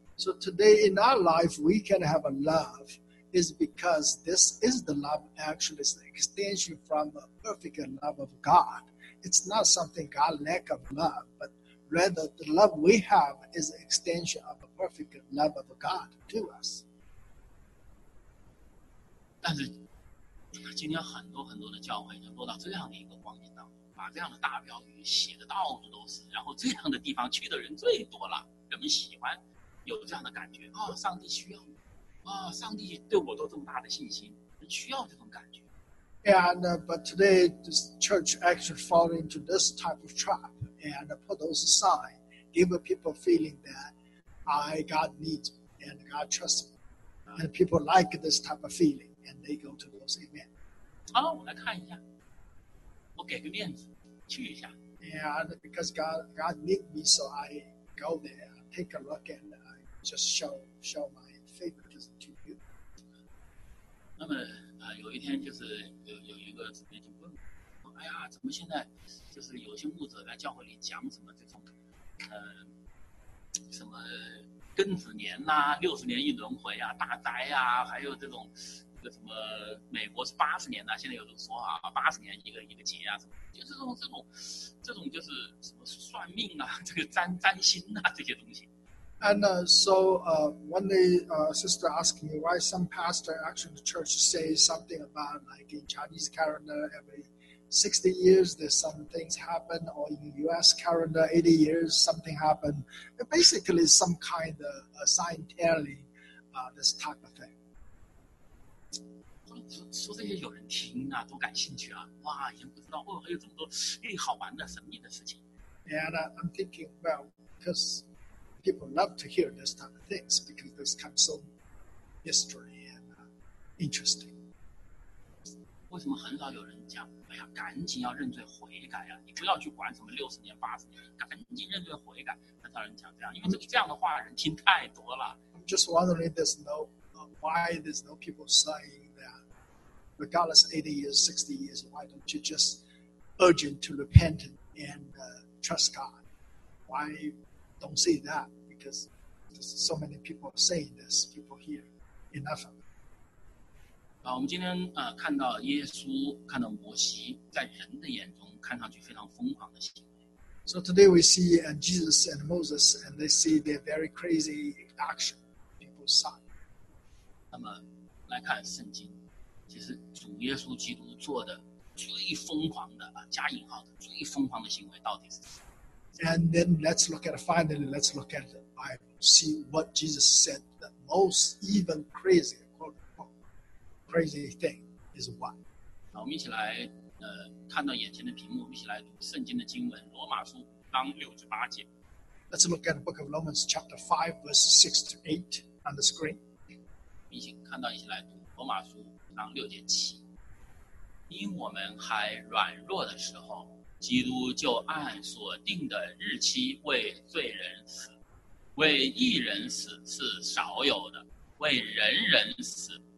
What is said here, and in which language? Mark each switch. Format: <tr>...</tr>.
<en>So today in our life, we can have a love is because this is the love actually is the extension from the perfect love of God. It's not something God lack of love, but rather the love we have is an extension of the perfect love of God to us.</en> <zh>但是今天很多很多的教会能落到这样的一个光景当中，把这样的大标语写的到处都是，然后这样的地方去的人最多了，人们喜欢。有这样的感觉啊、哦，上帝需要我，啊、哦，上帝对我都这么大的信心，需要这种感觉。</zh> <en>And but today this church actually fall into this type of trap and put those aside, give people feeling that I God needs and God trusts me, and people like this type of feeling and they go to those amen.</en> <zh>好，我来看一下，我给个面子去一下。</zh> <en>And because God need me, so I go there, take a look at. Just show my favoritism to you.</en> <zh>那么啊、有一天就是有一个姊妹就问我，哎呀，怎么现在就是有些牧者在教会里讲什么这种，什么庚子年呐、啊，六十年一轮回啊，大灾啊，还有这种这个什么美国是八十年呐、啊，现在有种说啊，八十年一个劫啊，什么就是这种就是什么算命啊，这个占星啊这些东西。</zh> <en>And so one day, sister asked me why some pastor actually the church say something about like in Chinese calendar every 60 years there's some things happen, or in U.S. calendar 80 years something happen. It basically, is some kind of sign telling this type of thing.</en> <zh>说这些有人听啊，都感兴趣啊！哇，以前不知道，哦，还有这么多哎好玩的神秘的事情。</zh> <en>And I'm thinking, well, because. People love to hear this type of things because this comes so mystery and interesting.</en> <zh>为什么很少有人讲，哎呀，赶紧要认罪悔改啊，你不要去管什么60年80年，赶紧认罪悔改，很少人讲这样，因为这个这样的话人听太多了。</zh> <en>I'm just wondering there's no, why there's no people saying that regardless 80 years, 60 years, why don't you just urgent to repent and trust God? Why don't say that? Because there's so many people saying this, people hear enough of it.</en> <zh>我们今天看到耶稣，看到摩西，在人的眼中看上去非常疯狂的行为。</zh> <en>So today we see Jesus and Moses, and they see their very crazy action. People sign.</en> <zh>那么来看圣经，其实主耶稣基督做的最疯狂的加引号的最疯狂的行为到底是什么</zh> <en>？And then let's look at finally, let's look at the Bible, see what Jesus said the most even crazy. Crazy thing is what?</en> <zh>我们一起来看到眼前的屏幕，我们一起来读圣经的经文，罗马书5:6-8.</zh> <en>Let's look at the book of Romans chapter 5:6-8 on the screen.</en> <zh>一起看到，一起来读罗马书6:7。因我们还软弱的时候，基督就按所定的日期为罪人死，为义人死是少有的，为人人死。</zh>